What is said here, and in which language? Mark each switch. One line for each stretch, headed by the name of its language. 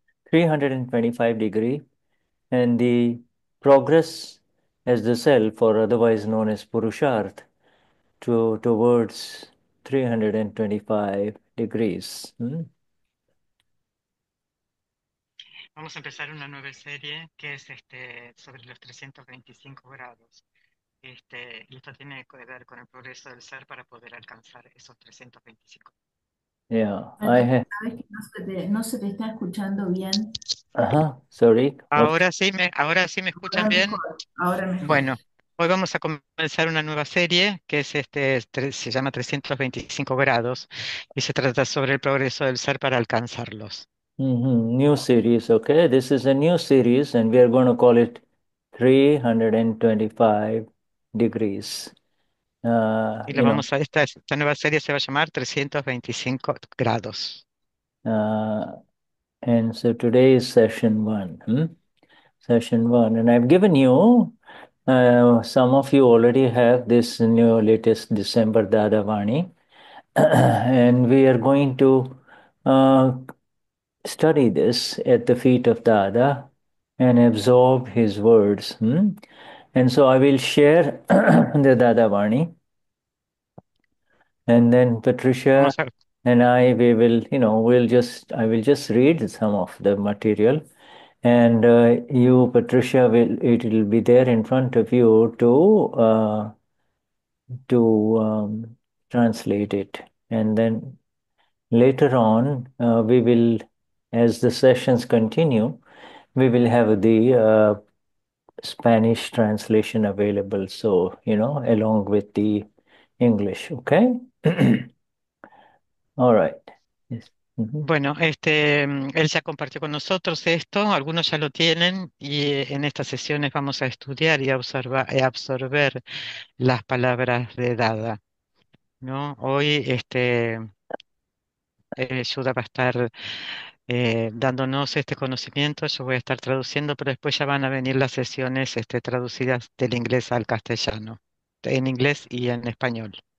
English: 325 degree and the progress as the self, or otherwise known as Purushartha, to towards 325 degrees.
Spanish: Vamos a empezar una nueva serie que es sobre los 325 grados. Y esto tiene que ver con el progreso del ser para poder alcanzar esos 325.
English: Yeah,
Spanish: No se te está escuchando bien.
English: Sorry. What's...
Spanish: Ahora sí me escuchan Ahora bien. mejor, ahora mejor. Bueno, hoy vamos a comenzar una nueva serie que es se llama 325 grados y se trata sobre el progreso del ser para alcanzarlos.
English: New series, okay. This is a new series, and we are going to call it 325 degrees.
Spanish: Y la vamos a esta nueva serie se va a llamar 325 grados.
English: And so today is session one. Session one, and I've given you some of you already have this new latest December Dadavani, and we are going to study this at the feet of Dada and absorb his words. And so I will share the Dadavani, and then Patricia and I, we will, I will just read some of the material, and you, Patricia, it'll be there in front of you to translate it, and then later on we will, as the sessions continue, we will have the Spanish translation available, so along with the English, okay? All right.
Spanish: Bueno, él ya compartió con nosotros esto, algunos ya lo tienen y en estas sesiones vamos a estudiar y absorber las palabras de Dada, ¿no? Hoy Shuddha va a estar dándonos este conocimiento, yo voy a estar traduciendo, pero después ya van a venir las sesiones traducidas del inglés al castellano, en inglés y en español.